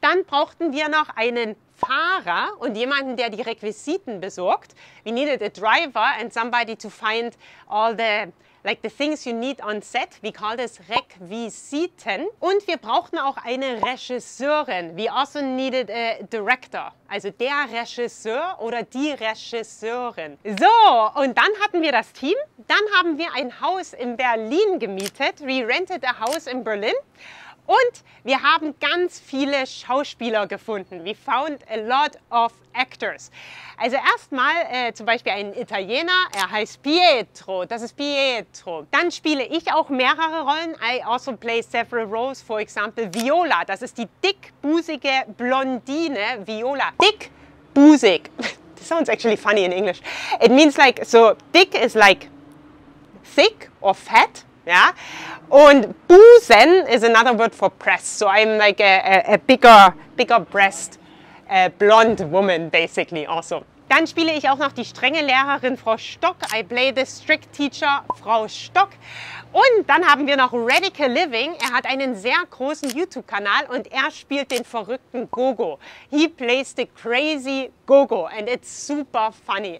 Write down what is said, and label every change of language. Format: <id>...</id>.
<de>Dann brauchten wir noch einen Fahrer und jemanden, der die Requisiten besorgt.</de> <en>We needed a driver and somebody to find all the like the things you need on set, we call this Requisiten.</en> <de>Und wir brauchten auch eine Regisseurin.</de> <en>We also needed a director.</en> <de>Also der Regisseur oder die Regisseurin. So, und dann hatten wir das Team. Dann haben wir ein Haus in Berlin gemietet.</de> <en>We rented a house in Berlin.</en> <de>Und wir haben ganz viele Schauspieler gefunden.</de> <en>We found a lot of actors.</en> <de>Also erstmal zum Beispiel ein Italiener, er heißt Pietro. Das ist Pietro. Dann spiele ich auch mehrere Rollen.</de> <en>I also play several roles. For example, Viola.</en> <de>Das ist die dickbusige Blondine Viola.</de> <en>Dickbusig. This sounds actually funny in English. It means like, so dick is like thick or fat. Yeah? Und busen is another word for breast. So I'm like a bigger breast blonde woman, basically, also.</en> <de>Dann spiele ich auch noch die strenge Lehrerin Frau Stock.</de> <en>I play the strict teacher Frau Stock.</en> <de>Und dann haben wir noch Radical Living. Er hat einen sehr großen YouTube-Kanal und er spielt den verrückten Gogo.</de> <en>He plays the crazy Gogo and it's super funny.</en>